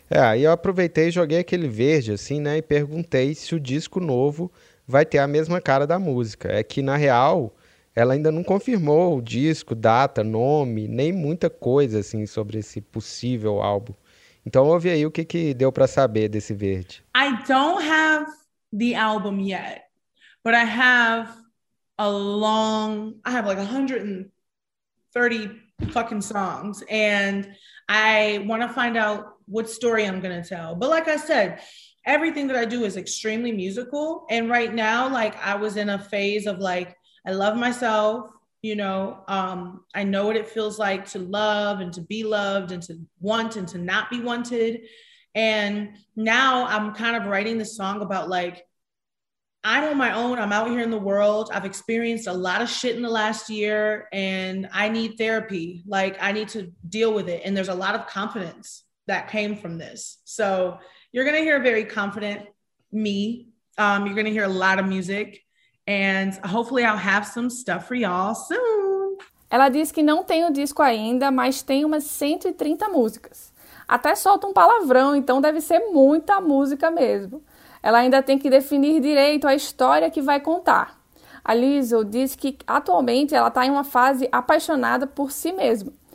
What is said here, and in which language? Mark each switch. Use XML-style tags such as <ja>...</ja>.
<pt>É, aí eu aproveitei e joguei aquele verde assim, né, e perguntei se o disco novo vai ter a mesma cara da música. É que, na real, ela ainda não confirmou o disco, data, nome, nem muita coisa, assim, sobre esse possível álbum. Então, ouve aí o que, que deu para saber desse verde.</pt> <en>I don't have the album yet, but I have a long... I have, like, 130 fucking songs, and I want to find out what story I'm going to tell. But, like I said... Everything that I do is extremely musical. And right now, like, I was in a phase of, like, I love myself, you know. I know what it feels like to love and to be loved and to want and to not be wanted. And now I'm kind of writing this song about, like, I'm on my own. I'm out here in the world. I've experienced a lot of shit in the last year. And I need therapy. Like, I need to deal with it. And there's a lot of confidence that came from this. So... You're going to hear a very confident me. You're going to hear a lot of music. And hopefully I'll have some stuff for y'all soon.</en> <pt>Ela disse que não tem o disco ainda, mas tem umas 130 músicas. Até solta um palavrão, então deve ser muita música mesmo. Ela ainda tem que definir direito a história que vai contar. A Lizzo diz que atualmente ela está em uma fase apaixonada por si mesma.</pt>